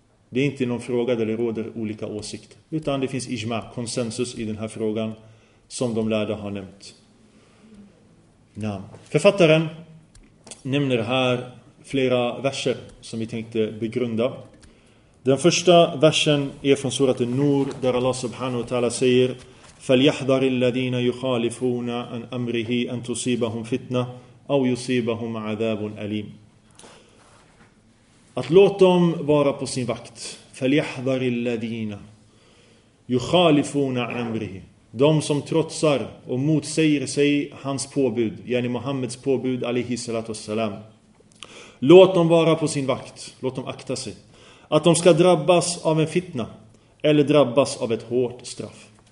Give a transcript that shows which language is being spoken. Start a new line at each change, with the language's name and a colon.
Swedish: Det är inte någon fråga där det råder olika åsikter. Utan det finns ijma, konsensus i den här frågan som de lärda har nämnt. Ja. Författaren nämner här flera verser som vi tänkte begrunda. Den första versen är från surat An-Nur där Allah subhanahu wa ta'ala säger
Arabic: فليحذر الذين يخالفون عن أمره أن تصيبهم فتنة أو يصيبهم عذاب أليم.
Swedish: Att låt dem vara på sin vakt.
Arabic: فليحذر الذين يخالفون عن أمره.
Swedish: De som trotsar och motsäger sig hans påbud, yani Muhammeds påbud alayhi salatu wassalam. Låt dem vara på sin vakt, låt dem akta sig att de ska drabbas av en fitna eller drabbas av ett hårt straff.